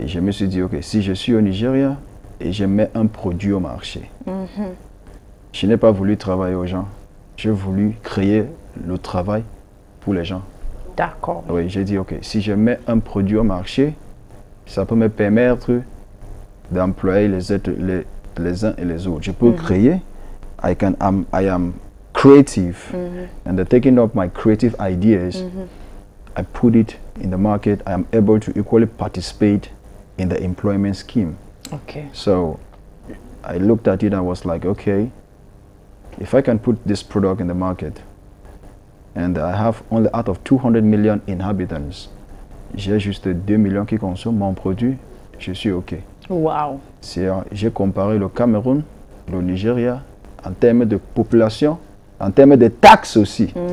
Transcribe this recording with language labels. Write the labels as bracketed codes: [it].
[fr] Et je me suis dit, ok, si je suis au Nigeria et je mets un produit au marché, je n'ai pas voulu travailler aux gens. J'ai voulu créer le travail pour les gens. D'accord. Oui, j'ai dit, ok, si je mets un produit au marché, ça peut me permettre d'employer les uns et les autres. Je peux créer. [en] I am creative, and the taking up my creative ideas, I put it in the market. I am able to equally participate in the employment scheme. Okay. So I looked at it and was like, okay, if I can put this product in the market and I have only out of 200 million inhabitants, [fr] j'ai juste 2 millions qui consomment mon produit, je suis okay. [en] Wow. [fr] J'ai comparé le Cameroun, le Nigeria, en termes de population, en termes de taxes aussi.